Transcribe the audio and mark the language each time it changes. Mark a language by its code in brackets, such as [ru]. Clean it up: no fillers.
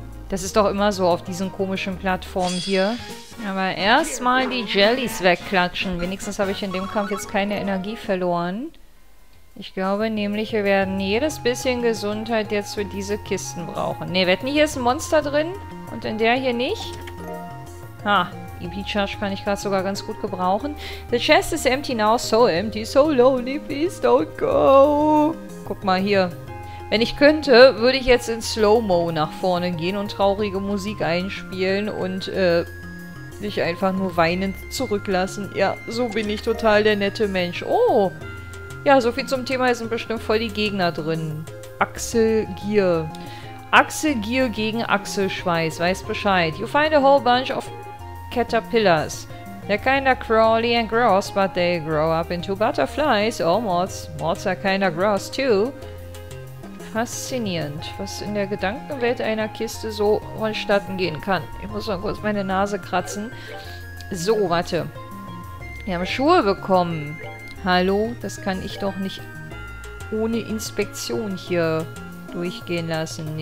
[de] Das ist doch immer so auf diesen komischen Plattformen hier. Aber erstmal die Jellies wegklatschen. Wenigstens habe ich in dem Kampf jetzt keine Energie verloren. Ich glaube nämlich, wir werden jedes bisschen Gesundheit jetzt für diese Kisten brauchen. Ne, wetten, hier ist ein Monster drin und in der hier nicht. Ha, die Beach Charge kann ich gerade sogar ganz gut gebrauchen. [en] The chest is empty now, so empty, so lonely, please don't go. [de] Guck mal hier. Wenn ich könnte, würde ich jetzt in Slow-Mo nach vorne gehen und traurige Musik einspielen und mich einfach nur weinend zurücklassen. Ja, so bin ich total der nette Mensch. Oh, ja, so viel zum Thema, hier sind bestimmt voll die Gegner drin. Achselgier. Achselgier gegen Achselschweiß, weiß Bescheid. [en] You find a whole bunch of caterpillars. They're kinda crawly and gross, but they grow up into butterflies. Oh, moths. Moths are kinda gross too. [de] Faszinierend, was in der Gedankenwelt einer Kiste so vonstatten gehen kann. Ich muss mal kurz meine Nase kratzen. So, warte. Wir haben Schuhe bekommen. Hallo, das kann ich doch nicht ohne Inspektion hier durchgehen lassen.